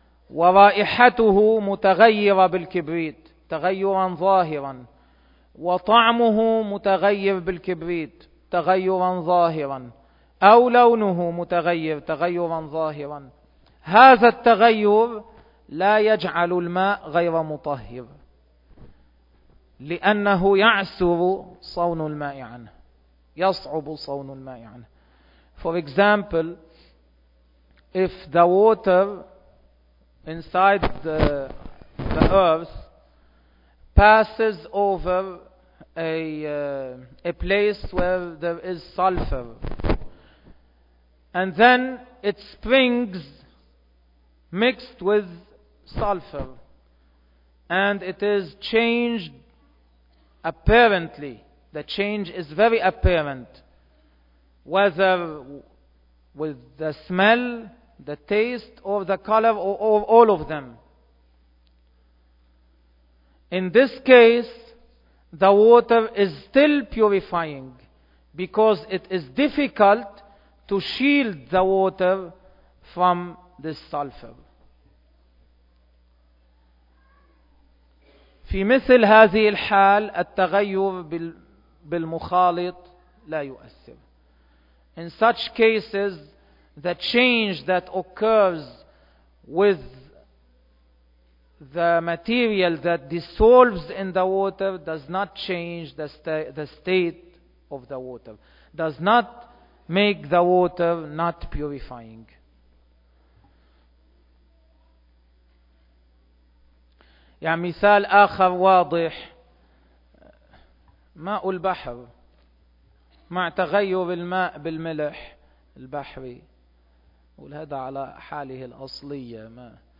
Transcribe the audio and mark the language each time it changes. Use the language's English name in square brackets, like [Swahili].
[Arabic] ورائحته متغيرة بالكبريت تغيرا ظاهرا وطعمه متغير بالكبريت تغيرا ظاهرا أو لونه متغير تغيرا ظاهرا هذا التغير لا يجعل الماء غير مطهر لأنه يعسر صون الماء عنه يصعب صون الماء عنه. [English] For example, if the water inside the earth passes over a place where there is sulfur, and then it springs mixed with sulfur, and it is changed apparently, the change is very apparent, whether with the smell, the taste, or the color, or all of them. In this case, the water is still purifying because it is difficult to shield the water from this sulfur. [Arabic] في مثل هذه الحال التغير بالمخالط لا يؤثر. [English] In such cases, the change that occurs with the material that dissolves in the water does not change the state of the water, does not make the water not purifying. [Arabic] يعني مثال آخر واضح, ماء البحر مع تغير الماء بالملح البحري, ولهذا على حاله الأصلية ما